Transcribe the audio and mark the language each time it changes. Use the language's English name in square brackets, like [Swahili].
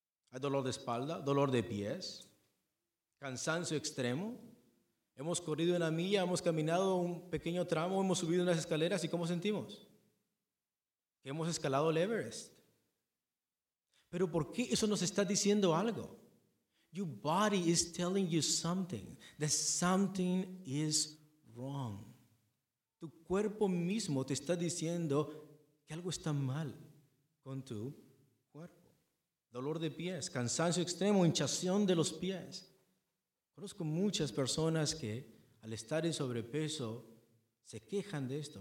[Spanish] Hay dolor de espalda, dolor de pies, cansancio extremo. Hemos corrido una milla, hemos caminado un pequeño tramo, hemos subido unas escaleras, ¿y cómo sentimos? Que hemos escalado el Everest. Pero ¿por qué eso nos está diciendo algo? [English] Your body is telling you something, that something is wrong. [Spanish] Tu cuerpo mismo te está diciendo que algo está mal con tu cuerpo. Dolor de pies, cansancio extremo, hinchazón de los pies. Conozco muchas personas que al estar en sobrepeso se quejan de esto.